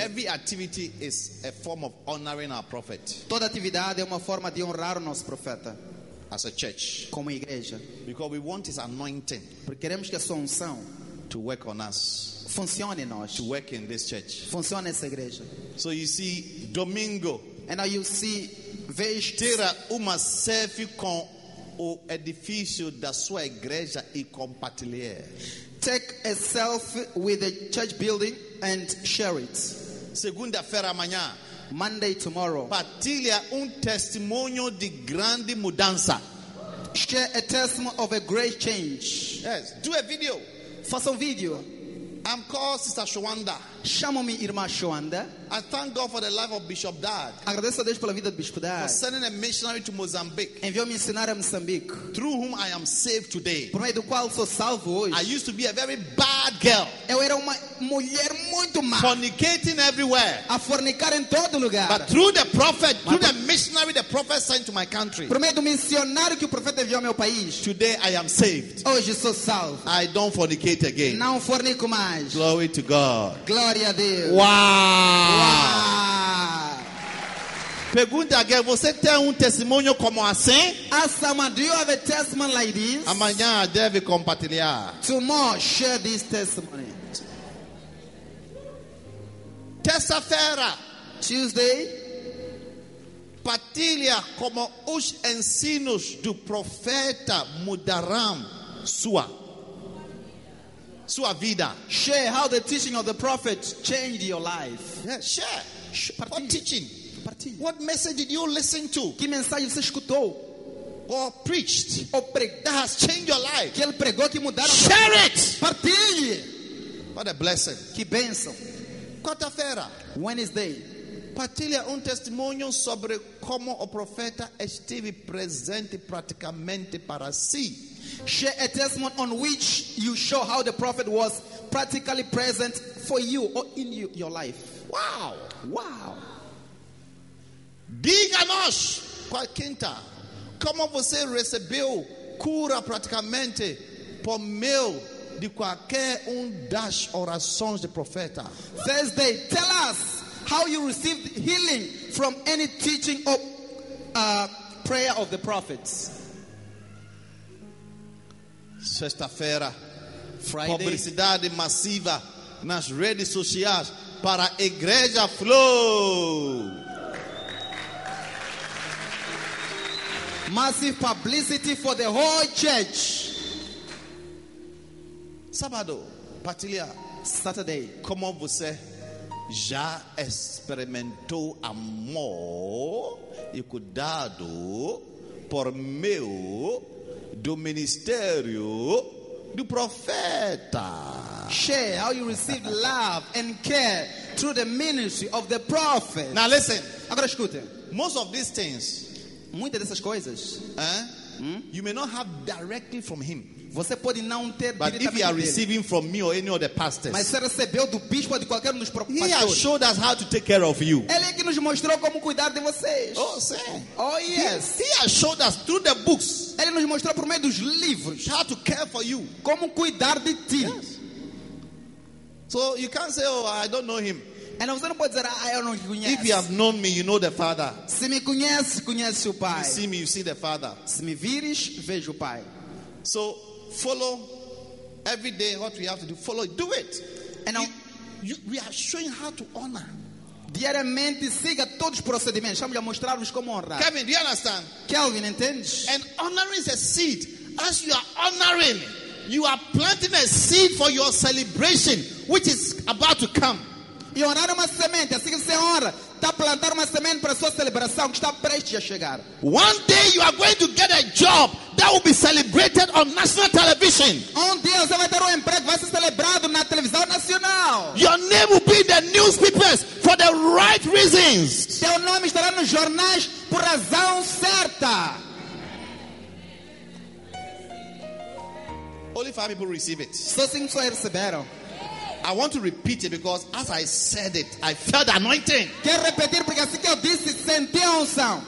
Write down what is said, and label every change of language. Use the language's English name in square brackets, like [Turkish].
[English] Every activity is a form of honoring our prophet. [Portuguese] Toda atividade é uma forma de honrar o nosso profeta. [English] As a church. [Portuguese] Como igreja. [English] Because we want his anointing. [Portuguese] Porque queremos que a sua unção [English] to work on us. [Portuguese] Funcione nós. [English] To work in this church. [Portuguese] Funcione essa igreja. [English] So you see Domingo. And now you see vez [Portuguese] tira uma selfie com o edifício da sua igreja e compartilhe. [English] Take a selfie with the church building and share it. [Portuguese] Segunda-feira amanhã. [English] Monday tomorrow. [Portuguese] Partilha testemunho de grande mudança. [English] Share a testimony of a great change. Yes, do a video. [Portuguese] Faça vídeo. [English] I'm called Sister Shwanda. [Portuguese] Chamo-me Irmã Shwanda. [English] I thank God for the life of Bishop Dad. [Portuguese] Agradeço a Deus pela vida do Bispo Dad. [English] For sending a missionary to Mozambique. [Portuguese] Enviou missionário a Moçambique. [English] Through whom I am saved today. [Portuguese] Por meio do qual sou salvo hoje. [English] I used to be a very bad girl. [Portuguese] Eu era uma mulher muito má. [English] Fornicating everywhere. [Portuguese] A fornicar em todo lugar. [English] But through the prophet, through the missionary the prophet sent to my country. [Portuguese] Por meio do missionário que o profeta enviou ao meu país. [English] Today I am saved. [Portuguese] Hoje sou salvo. [English] I don't fornicate again. [Portuguese] Não fornico mais. [English] Glory to God. [Portuguese] Glória a Deus. Wow. Wow. Pergunta alguém, você tem testemunho como assim? [English] Ask someone, do you have a testimony like this? [Portuguese] Amanhã deve compartilhar. [English] Tomorrow, share this testimony. [Portuguese] Terça-feira. [English] Tuesday. [Portuguese] Part partilha como os ensinos do profeta mudarão sua vida. [English] Share how the teaching of the prophet changed your life. Yeah, share. [Portuguese] Partilha. [English] What teaching? [Portuguese] Partilha. [English] What message did you listen to? [Portuguese] Que mensagem você escutou? [English] Or preached? [Portuguese] Ou pregou? [English] That has changed your life. [Portuguese] Que ele pregou que mudaram. [English] Share it. [Portuguese] Partilhe. [English] What a blessing. [Portuguese] Que bênção. Quarta-feira. [English] Wednesday. [Portuguese] Partilha testemunho sobre como o profeta esteve presente praticamente para si. [English] Share a testimony on which you show how the prophet was practically present for you or in you, your life. Wow. Wow. [Portuguese] Diga-nos, qual quinta, como você recebeu cura praticamente por meio de qualquer das orações do profeta. [English] Thursday, tell us how you received healing from any teaching or prayer of the prophets. [Portuguese] Sexta-feira, [English] Friday. [Portuguese] Publicidade massiva nas redes sociais para a Igreja Flow. [English] Massive publicity for the whole church. [Portuguese] Sábado, partilha. [English] Saturday. [Portuguese] Como você já experimentou amor e cuidado por meio do ministério do profeta? [English] Share how you received love and care through the ministry of the prophet. Now listen. [Portuguese] Agora escute. [English] Most of these things, [Portuguese] muitas dessas coisas, [English] you may not have directly from him. [Portuguese] Você pode não ter, [English] but if you are receiving from me or any other pastors, [Portuguese] mas se recebeu do bispo ou de qualquer dos pastores, [English] he has showed us how to take care of you. [Portuguese] Ele é que nos mostrou como cuidar de vocês. Oh, sim. [English] Oh, yes. He has showed us through the books. [Portuguese] Ele nos mostrou por meio dos livros [English] how to care for you. [Portuguese] Como cuidar de ti. [English] Yes. So you can't say, oh, I don't know him. [Portuguese] And você não pode dizer, ah, eu não te conheço. [English] If you have known me, you know the Father. [Portuguese] Se me conhece, conhece o Pai. [English] You see me, you see the Father. [Portuguese] Se me vires, vejo o Pai. [English] So follow every day what we have to do. Follow, do it. And we, we are showing how to honor. [Portuguese] Diariamente siga todos os procedimentos. Estamos a mostrar-vos como honrar. [English] Kevin, do you understand? [Portuguese] Kelvin, entende? [English] And honoring is a seed. As you are honoring, you are planting a seed for your celebration, which is about to come. [Portuguese] E honrar uma semente, assim que você honra, está a plantar uma semente para a sua celebração que está prestes a chegar. [English] One day you are going to get a job that will be celebrated on national television. [Portuguese] Um dia você vai ter emprego, vai ser celebrado na televisão nacional. [English] Your name will be in the newspapers for the right reasons. [Portuguese] Seu nome estará nos jornais por razão certa. [English] Only 5 people receive it. [Portuguese] Só 5 pessoas receberam. [English] I want to repeat it because as I said it, I felt anointing. [Portuguese] Quero repetir porque assim que eu disse, senti a unção.